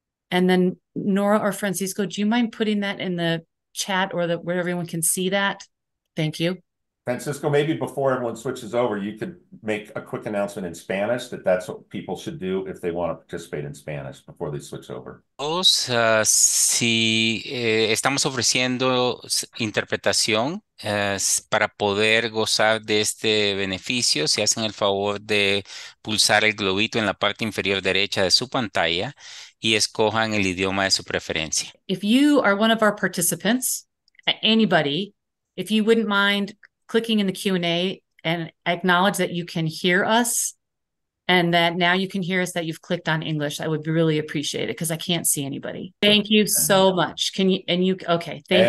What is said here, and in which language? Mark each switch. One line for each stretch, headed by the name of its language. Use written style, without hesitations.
English: And then Nora or Francisco, do you mind putting that in the chat or the where everyone can see that? Thank you. Francisco, maybe before everyone switches over, you could make a quick announcement in Spanish that that's what people should do if they want to participate in Spanish before they switch over.
Spanish: Si estamos ofreciendo interpretación para poder gozar de este beneficio, si hacen el favor de pulsar el globito en la parte inferior derecha de su pantalla y escojan el idioma de su preferencia.
English: If you are one of our participants, anybody, if you wouldn't mind clicking in the Q&A and acknowledge that you can hear us and that now you can hear us, that you've clicked on English, I would really appreciate it because I can't see anybody. Thank you so much. Can you, and you, okay, thank